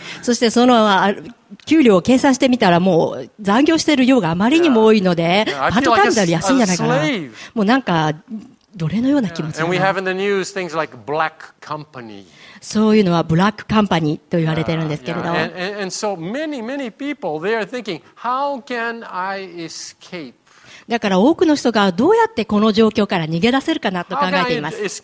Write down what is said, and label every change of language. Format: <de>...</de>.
<ja>そしてその給料を計算してみたらもう残業している量があまりにも多いのでパートタイムより安いんじゃないかな。もうなんか奴隷のような気持ち。</ja> <en>And we have in the news things like black company.</en> <ja>そういうのはブラックカンパニーと言われているんですけれど。</ja> <en>And so many people they are thinking how can I escape?</en> <ja>だから多くの人がどうやってこの状況から逃げ出せるかなと考えています。</ja>